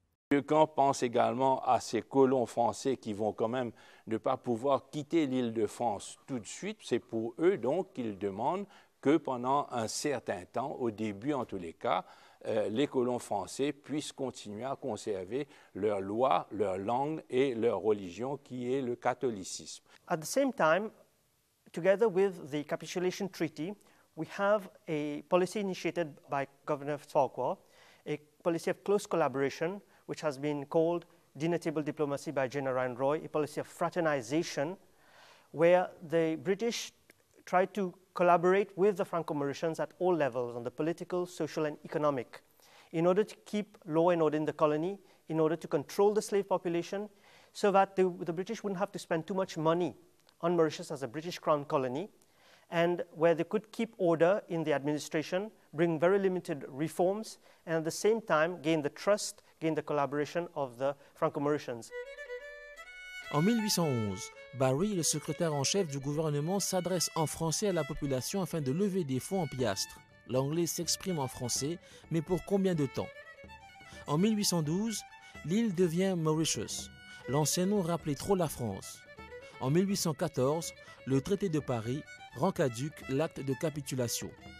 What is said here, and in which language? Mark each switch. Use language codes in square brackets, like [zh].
[fr] Descamps pense également à ces colons français qui vont quand même ne pas pouvoir quitter l'île de France tout de suite. C'est pour eux donc qu'il demande que pendant un certain temps, au début en tous les cas, les colons français puissent continuer à conserver leur loi, leur langue et leur religion, qui est le catholicisme. [en] At the same time, together with the capitulation treaty, we have a policy initiated by Governor Farquhar, a policy of close collaboration, which has been called denotable diplomacy by General Ryan Roy, a policy of fraternization, where the British tried to collaborate with the Franco-Mauritians at all levels, on the political, social, and economic, in order to keep law and order in the colony, in order to control the slave population, so that the British wouldn't have to spend too much money on Mauritius as a British Crown colony, and where they could keep order in the administration, bring very limited reforms, and at the same time gain the trust, gain the collaboration of the Franco-Mauritians. [fr] En 1811, Barry, le secrétaire en chef du gouvernement, s'adresse en français à la population afin de lever des fonds en piastres. L'anglais s'exprime en français, mais pour combien de temps? En 1812, l'île devient Mauritius. L'ancien nom rappelait trop la France. En 1814, le traité de Paris rend caduc l'acte de capitulation.